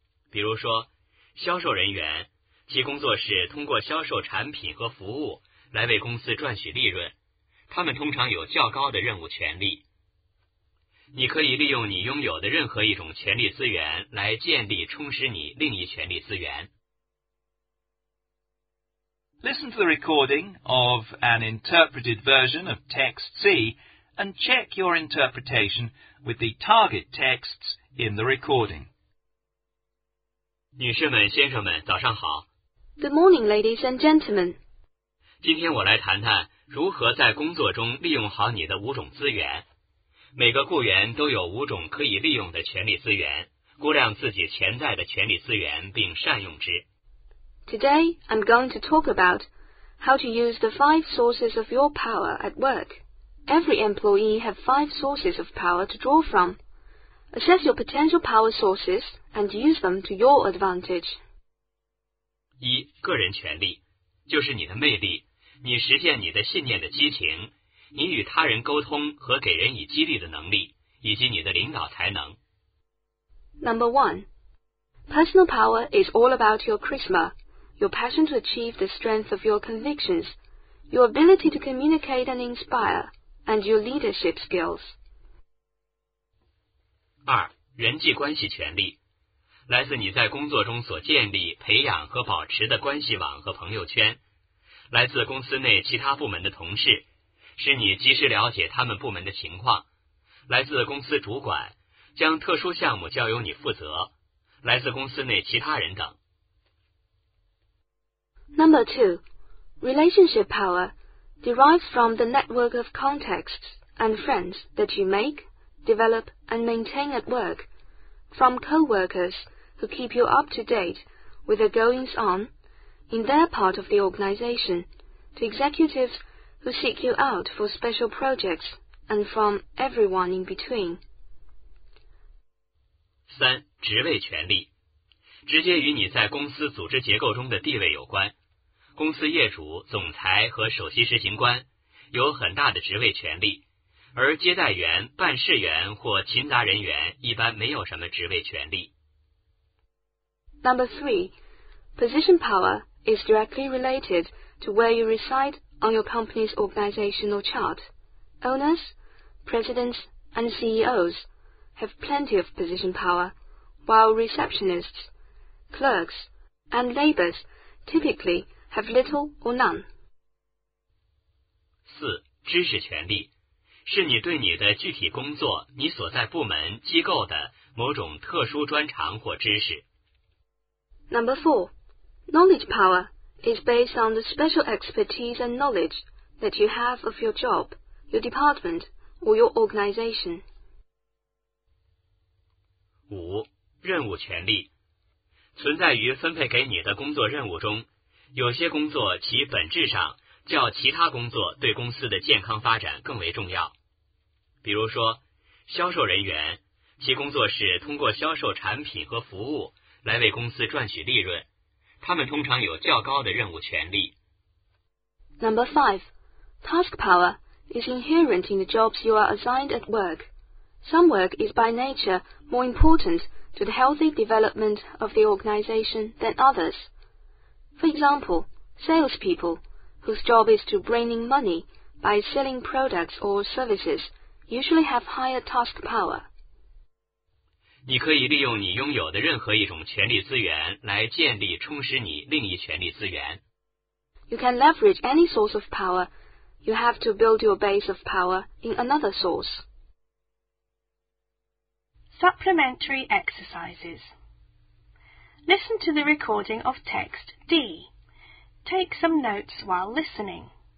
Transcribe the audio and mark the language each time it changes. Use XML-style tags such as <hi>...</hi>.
<zh>比如说，销售人员，其工作是通过销售产品和服务来为公司赚取利润，他们通常有较高的任务权利。你可以利用你拥有的任何一种权利资源来建立充实你另一权利资源。</zh> <en>Listen to the recording of an interpreted version of text C and check your interpretation with the target texts in the recording.</en> <zh>女士们、先生们，早上好。</zh> <en>Good morning, ladies and gentlemen.</en> <zh>今天我来谈谈如何在工作中利用好你的五种资源。每个雇员都有五种可以利用的权利资源，估量自己潜在的权利资源并善用之。</zh> <en>Today, I'm going to talk about how to use the five sources of your power at work. Every employee has five sources of power to draw from. Assess your potential power sources and use them to your advantage.</en> <zh>一、个人权利，就是你的魅力，你实现你的信念的激情，你与他人沟通和给人以激励的能力，以及你的领导才能。</zh> <en>Number one, personal power is all about your charisma. Your passion to achieve the strength of your convictions, your ability to communicate and inspire, and your leadership skills.</en> <zh>二、人际关系权利，来自你在工作中所建立、培养和保持的关系网和朋友圈，来自公司内其他部门的同事，使你及时了解他们部门的情况，来自公司主管，将特殊项目交由你负责，来自公司内其他人等。</zh> <en>Number two, relationship power derives from the network of contacts and friends that you make, develop, and maintain at work, from co-workers who keep you up to date with the goings on in their part of the organization, to executives who seek you out for special projects, and from everyone in between.</en> <zh>三、职位权利，直接与你在公司组织结构中的地位有关。公司业主、总裁和首席执行官有很大的职位权利，而接待员、办事员或勤杂人员一般没有什么职位权利。</zh> <en>Number three, position power is directly related to where you reside on your company's organizational chart. Owners, presidents, and CEOs have plenty of position power, while receptionists, clerks, and laborers typically. Have little or none.</en> <zh>四、知识权利，是你对你的具体工作、你所在部门、机构的某种特殊专长或知识。</zh> <en>Number four, knowledge power is based on the special expertise and knowledge that you have of your job, your department, or your organization.</en> <zh>五、任务权利，存在于分配给你的工作任务中。有些工作其本质上较其他工作对公司的健康发展更为重要。比如说，销售人员，其工作是通过销售产品和服务来为公司赚取利润，他们通常有较高的任务权利。</zh> <en>Number five, task power is inherent in the jobs you are assigned at work. Some work is by nature more important to the healthy development of the organization than others. For example, salespeople, whose job is to bring in money by selling products or services, usually have higher task power.</en> <zh>你可以利用你拥有的任何一种权力资源来建立充实你另一权力资源。</zh> <en>You can leverage any source of power. You have to build your base of power in another source. Supplementary exercises. Listen to the recording of text D. Take some notes while listening.</en>